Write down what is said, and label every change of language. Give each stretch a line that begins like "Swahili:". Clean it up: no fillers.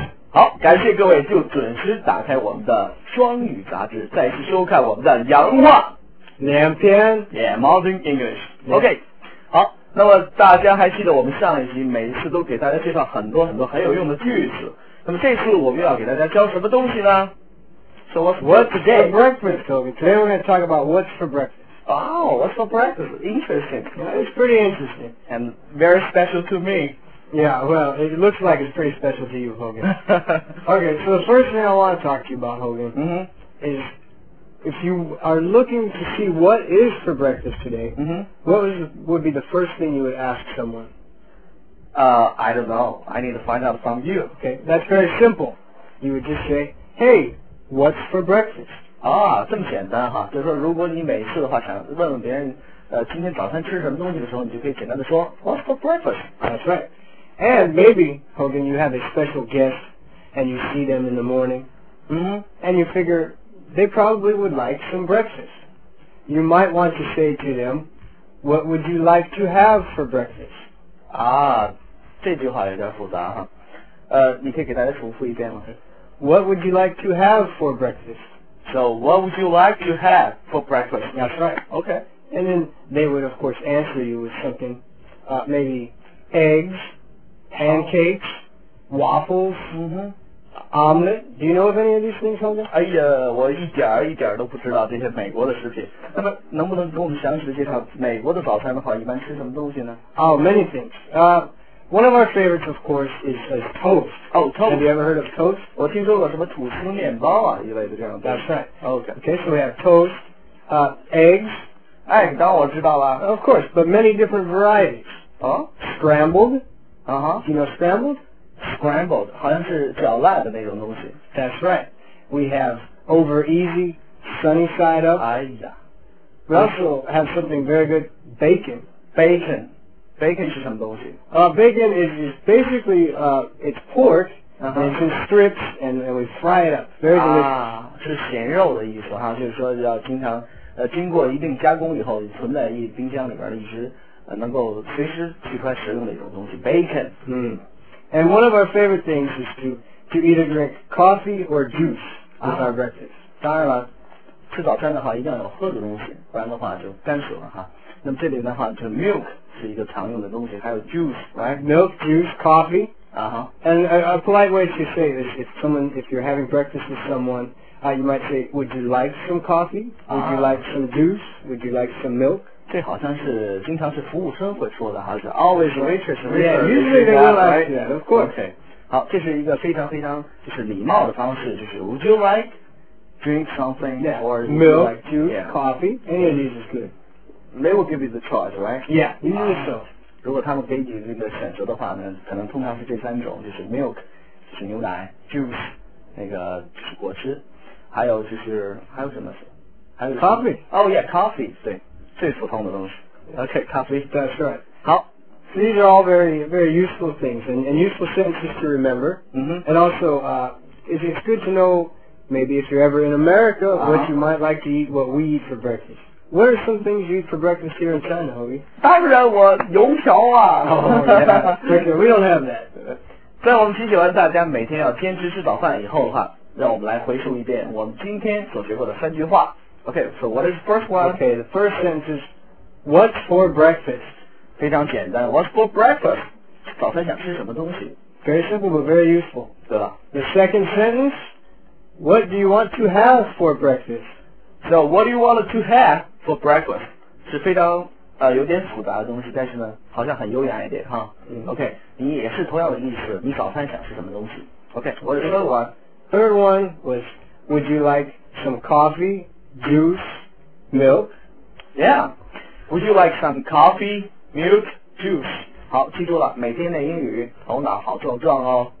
Chinese: 好，感谢各位就准时打开我们的双语杂志，再次收看我们的洋话。两篇
English: Yeah, Modern English、yeah.
Chinese: OK 好，那么大家还记得我们上一集每次都给大家介绍很多很多很有用的句子，那么这次我们又要给大家教什么东西呢？
English: So what's for breakfast, Toby? Today we're going to talk about what's for breakfast. Oh, what's for breakfast? Interesting. Yeah, it's pretty interesting. And very special to me. Yeah, well, it looks like it's pretty special to you, Hogan. OK, so the first thing I want to talk to you about, Hogan、 mm-hmm. isIf you are looking to see what is for breakfast today,、 mm-hmm. what would be the first thing you would ask someone?、 I don't know. I need to find out from you. Okay, that's very simple. You would just say, hey, what's for breakfast?
Chinese: Ah, 这么简单哈。就是说如果你每次的话想问问别人、今天早餐吃什么东西的时候，你就可以简单的说
English: what's for breakfast? That's right. And maybe, Hogan, you have a special guest and you see them in the morning、 mm-hmm. and you figureThey probably would like some breakfast. You might want to say to them, what would you like to have for breakfast?
Chinese: Ah, 这句话有点复杂哈。你可以给大家重复一遍吗？
English: What would you like to have for breakfast? So, what would you like to have for breakfast? That's right. Okay. And then they would, of course, answer you with something, maybe eggs, pancakes, waffles. Mm-hmm. Omelette? Do you know of any of these things, Hogan?
Chinese: 哎呀，我一点儿一点儿都不知道这些美国的食品。那么，能不能给我们详细的介绍美国的早餐的话，一般吃什么东西呢？
English: Oh, many things. One of our favorites, of course, is toast. Oh, toast. Have you ever heard of toast?
Chinese: 我听说过什么吐司面包啊一类的这样的。
English: That's right. Okay. Okay, so we have toast, eggs.
Chinese: 哎，当然我知道了。
English: Of course, but many different varieties. Oh? Scrambled. Uh-huh. Do you know scrambled?
Chinese: Scrambled, 好像是搅烂的那种东西。
English: That's right. We have over easy, sunny side up. 哎呀。 We also have something very good, bacon. Bacon.
Chinese: Bacon 是什么东西？
English: Bacon is basically, it's pork,、 uh-huh. and it's in strips, and we fry it up. Very delicious.
Chinese: 啊，是咸肉的意思哈，就是说要经常，经过一定加工以后，存在一冰箱里边的一只，能够随时取出来食用的一种东西。
English: Bacon. 嗯。 And one of our favorite things is to either drink coffee or juice with our breakfast.
Chinese: 当然了，吃早餐的话一定要有喝的东西，不然的话就干死了哈。那么这里的话就 milk 是一个常用的东西，还有
English: juice, right? Milk, juice, coffee. Uh-huh. And a polite way to say this, if you're having breakfast with someone, you might say, would you like some coffee? Would you like some juice? Would you like some milk?
Chinese: 这好像是经常是服务生会说的哈，是
English: always waitress. Yeah, usually they will ask that, of course. Okay.
Chinese: 好，这是一个非常非常就是礼貌的方式，就是
English: would you like drink something or milk, like juice, yeah, coffee, any of these is good. They will give you the choice, right? Yeah, usually so.
Chinese: 如果他们给你这个选择的话呢，可能通常是这三种，就是 milk, 是牛奶
English: ，juice,
Chinese: 那个就是果汁，还有就是还有什么？还有
English: coffee. Oh yeah, coffee.
Chinese: 对。最普通的东西
English: okay, coffee. That's right.
Chinese: 好
English: These are all very, very useful things and useful sentences to remember.、 Mm-hmm. And also, it's good to know, maybe if you're ever in America,、uh-huh. what you might like to eat, what we eat for breakfast. What are some things you eat for breakfast here in China, Hobie?
Chinese: 当然我油条啊
English: Oh, yeah. Okay, we don't have that.
Chinese: 在我们提醒完大家每天要坚持吃早饭以后的话，让我们来回溯一遍我们今天所学过的三句话。
English: Okay, so what is the first one? Okay, the first sentence is, what's for breakfast?
Chinese: 非常简单
English: what's for breakfast?
Chinese: 早餐想吃什么东西
English: Very simple, but very useful.
Chinese: 对吧
English: The second sentence, what do you want to have for breakfast? So, what do you want to have for breakfast?
Chinese: 是非常有点复杂的东西但是呢好像很优雅一点哈、
English: huh? mm-hmm.
Chinese: Okay, 你也是同样的意思你早餐想吃什么东西
English: Okay, what is the third one? Third one was, would you like some coffee? Juice, milk. Yeah. Would you like some coffee, milk, juice?
Chinese: 好，记住了，每天练英语，头脑好壮壮哦。